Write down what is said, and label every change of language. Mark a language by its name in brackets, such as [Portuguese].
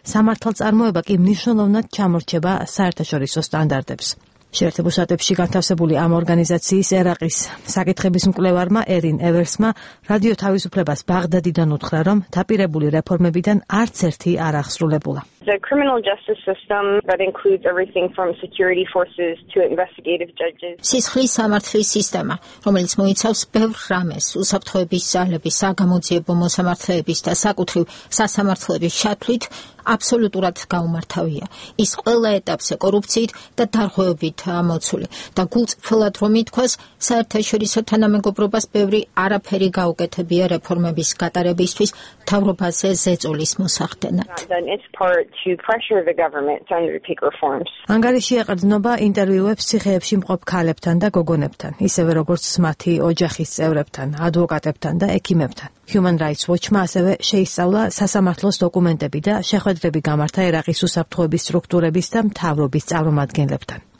[Georgian] სამართალწარმოება კი მნიშვნელოვნად ჩამორჩება საერთაშორისო სტანდარტებს. შეერთებულ შტატებში განთავსებული ამ ორგანიზაციის ერაყის საკითხების მკვლევარმა ერინ ევერსმა რადიო თავისუფლებას ბაღდადიდან უთხრა, რომ დაპირებული რეფორმებიდან არც ერთი არ აღსრულებულა. [English] The criminal justice system that includes everything from security forces to investigative judges. [Georgian] სისხლის სამართლის სისტემა, რომელიც მოიცავს ბევრ რამეს, უსაფრთხოების ძალების, საგამოძიებო მოსამართლეების და საკუთრივ სასამართლოების შეთვლით, აბსოლუტურად გაუმართავია. ის ყველა ეტაპზე კორუფციით და დარღვევებით მოცული და გულწრფელად რომ ითქვას, საერთაშორისო თანამეგობრობას ბევრი არაფერი გაუკეთებია რეფორმების გატარებისთვის მთავრობაზე ზეწოლის მოსახდენად. [English] To pressure the government to undertake reforms. [Georgian] Ანგარიში ეყრდნობა ინტერვიუებს ციხეებში მყოფ ქალებთან და გოგონებთან, ისევე როგორც მათი ოჯახის წევრებთან, ადვოკატებთან და ექიმებთან. Human Rights Watch-მა ასევე შეისწავლა სასამართლოს დოკუმენტები და შეხვედრები გამართა ერაყის უსაფრთხოების სტრუქტურების და მთავრობის წარმომადგენლებთან.